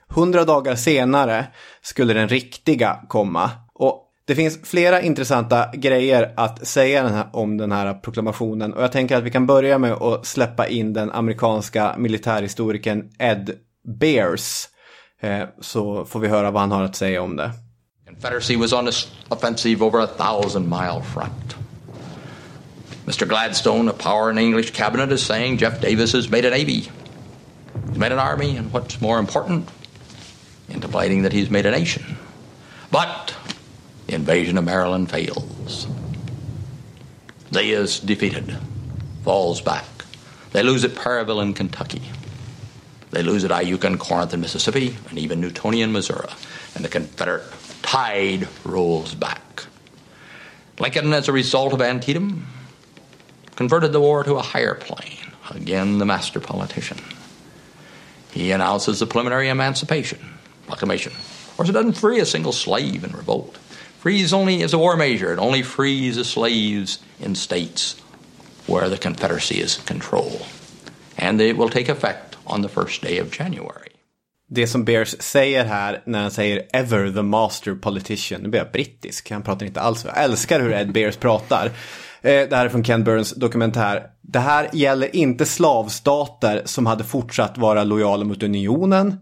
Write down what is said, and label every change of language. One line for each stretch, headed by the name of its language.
Swedish: 100 dagar senare skulle den riktiga komma. Och det finns flera intressanta grejer att säga om den här proklamationen. Och jag tänker att vi kan börja med att släppa in den amerikanska militärhistorikern Ed Bears. Så får vi höra vad han har att säga om det.
English: Confederacy was on this offensive over a 1,000-mile front. Mr. Gladstone, a power in the English cabinet, is saying Jeff Davis has made a navy. He's made an army, and what's more important, intimating that he's made a nation. But the invasion of Maryland fails. Lee is defeated, falls back. They lose at Perryville in Kentucky. They lose at Iuka and Corinth in Mississippi, and even Newtonian, Missouri. And the Confederate tide rolls back. Lincoln, as a result of Antietam, converted the war to a higher plane. Again, the master politician. He announces the preliminary emancipation proclamation. Of course, it doesn't free a single slave in revolt. Frees only as a war measure. It only frees the slaves in states where the Confederacy is in control. And it will take effect on the first day of January.
Swedish: Det som Bears säger här när han säger
English: ever the master politician,
Swedish: nu blir jag brittisk, han pratar inte alls, jag älskar hur Ed Bears pratar. Det här är från Ken Burns dokumentär. Det här gäller inte slavstater som hade fortsatt vara lojala mot unionen.